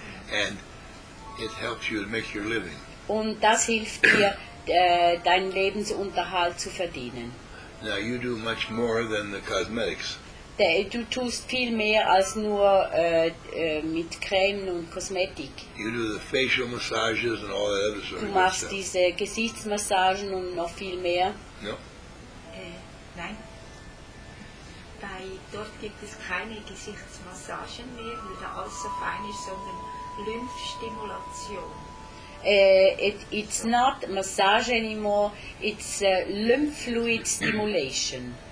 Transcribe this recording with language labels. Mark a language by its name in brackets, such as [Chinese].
[English] And it helps you to make your living. [German] Und das hilft dir, deinen Lebensunterhalt zu verdienen. [English] Now you do much more than the cosmetics. [German] Du tust viel mehr als nur mit Cremen und Kosmetik. [English] You do the facial massages and all that other sort [German] du machst of diese Gesichtsmassagen und noch viel mehr. [English] No. [German] Nein. Dort gibt es keine Gesichtsmassagen mehr, nur der Allsofine, sondern Lymphstimulation. [English] It's not massage anymore, it's lymph fluid stimulation.